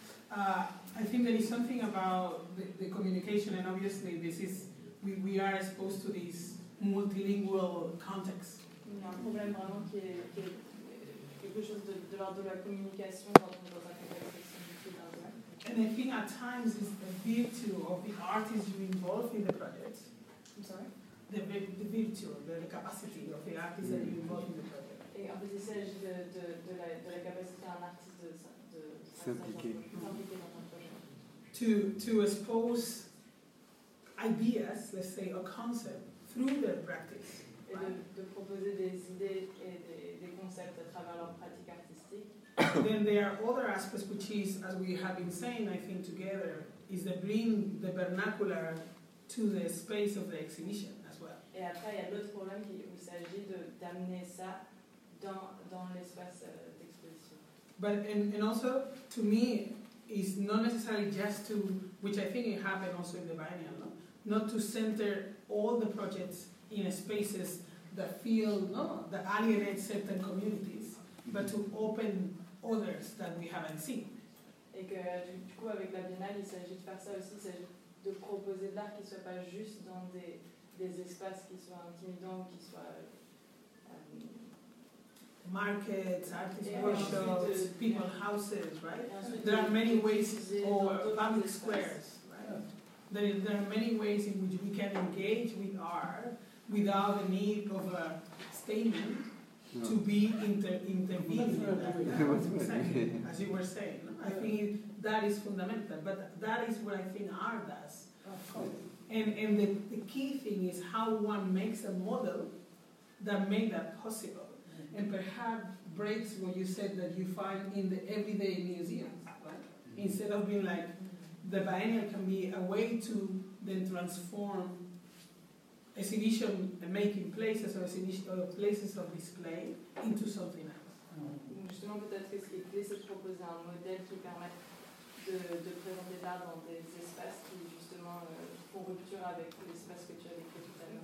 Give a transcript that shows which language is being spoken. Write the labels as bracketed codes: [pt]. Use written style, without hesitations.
[en] I think there is something about the communication, and obviously this is we are exposed to this multilingual context. [fr] Il y a un problème vraiment qui est quelque chose de l'ordre de la communication dans un contexte. [en] And I think at times it's the virtue of the artist you involve in the project. I'm sorry. The virtue, the capacity of the artist that you involve in the project. To expose ideas, let's say, a concept through their practice. [fr] Et de proposer des idées et des concepts à travers leur pratique artistique. [en] Then there are other aspects which is, as we have been saying, I think together, is to bring the vernacular to the space of the exhibition as well. [fr] Et après, il y a l'autre problème qui où s'agit de d'amener ça. Dans l'espace d'exposition. [en] But and also to me is not necessarily just to, which I think it happened also in the Biennial, no? Not to center all the projects in spaces that feel no that alienate certain communities, but to open others that we haven't seen. [fr] Et que du coup avec la Biennale, il s'agit de faire ça aussi, il s'agit de proposer de l'art qui soit pas juste dans des espaces qui soient intimidants ou qui soient [en] markets, artist workshops, people houses, right? There are many ways, or public squares, right? There are many ways in which we can engage with art without the need of a statement to be intervening. As you were saying, I think that is fundamental, but that is what I think art does. And the key thing is how one makes a model that made that possible. And perhaps breaks what you said that you find in the everyday museums. Right? Mm-hmm. Instead of being like, the biennial can be a way to then transform exhibition and making places or exhibition or places of display into something else. Mm-hmm. [fr] Justement, peut-être que ce qui est clé, c'est de proposer un modèle qui permette de présenter l'art dans des espaces qui, justement, font rupture avec l'espace que tu as décrit tout à l'heure.